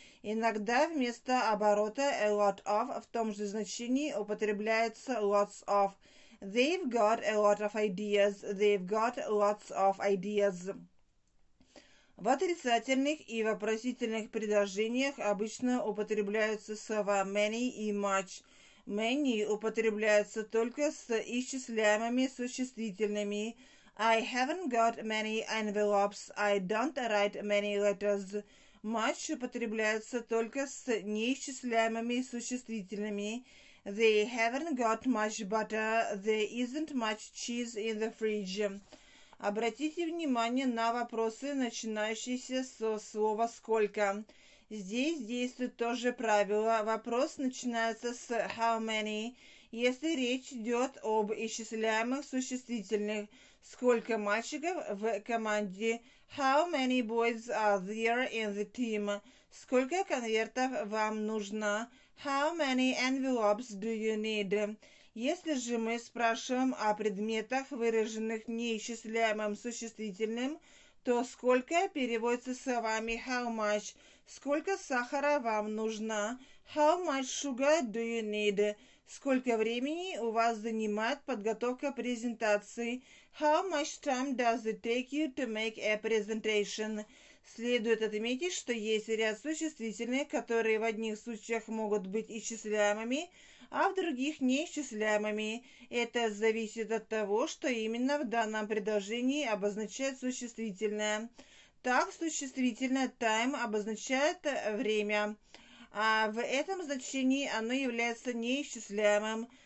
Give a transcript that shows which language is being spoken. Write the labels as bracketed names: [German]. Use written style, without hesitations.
[Russian] Иногда вместо оборота a lot of в том же значении употребляется lots of. [English] They've got a lot of ideas. They've got lots of ideas. [Russian] В отрицательных и вопросительных предложениях обычно употребляются слова many и much. Many употребляются только с исчисляемыми существительными. [English] I haven't got many envelopes. I don't write many letters. [Russian] Much употребляется только с неисчисляемыми существительными. [English] They haven't got much butter. There isn't much cheese in the fridge. [Russian] Обратите внимание на вопросы, начинающиеся со слова «сколько». Здесь действует то же правило. Вопрос начинается с «how many?». Если речь идет об исчисляемых существительных, сколько мальчиков в команде? [English] «How many boys are there in the team?» [Russian] «Сколько конвертов вам нужно?» [English] «How many envelopes do you need?» [Russian] Если же мы спрашиваем о предметах, выраженных неисчисляемым существительным, то «сколько» переводится словами «how much?» «Сколько сахара вам нужно?» [English] «How much sugar do you need?» [Russian] «Сколько времени у вас занимает подготовка презентации?» [English] «How much time does it take you to make a presentation?» [Russian] Следует отметить, что есть ряд существительных, которые в одних случаях могут быть исчисляемыми, а в других неисчисляемыми. Это зависит от того, что именно в данном предложении обозначает существительное. Так, существительное time обозначает время, а в этом значении оно является неисчисляемым.